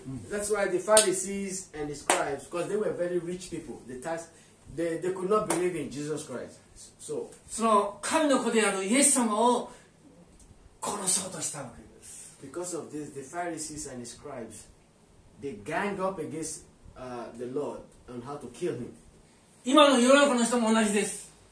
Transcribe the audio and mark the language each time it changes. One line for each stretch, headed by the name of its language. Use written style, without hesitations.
English: That's why the Pharisees and the scribes, because they were very rich people, the tax, they could not believe in Jesus Christ. So,
Japanese: その神の子であるイエス様を殺そうとしたわけです。
English: Because of this, the Pharisees and the scribes, they gang up against the Lord on how to kill him.
Japanese: 今の世の中の人も同じです。